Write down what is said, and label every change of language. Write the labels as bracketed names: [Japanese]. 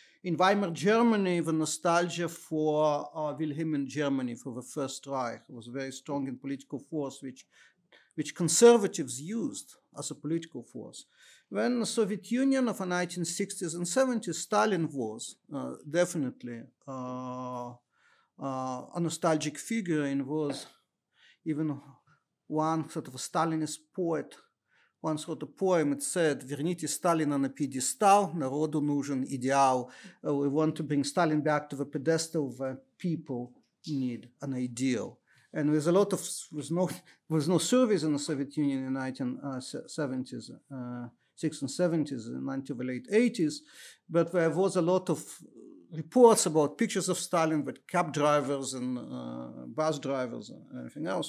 [English] In Weimar Germany, the nostalgia for Wilhelmian Germany, for the First Reich, was a very strong and political force which conservatives used as a political force. When the Soviet Union of the 1960s and 70s, Stalin was definitely a nostalgic figure, and was even one sort of a Stalinist poet once wrote a poem. [Russian] It said, "Верните Сталина на пьедестал, народу нужен идеал." [English] We want to bring Stalin back to the pedestal where people need an ideal. And there's a lot of, there was no service in the Soviet Union in the 1970s, 60s and 70s, until the late 80s, but there was a lot of reports about pictures of Stalin with cab drivers and bus drivers and everything else.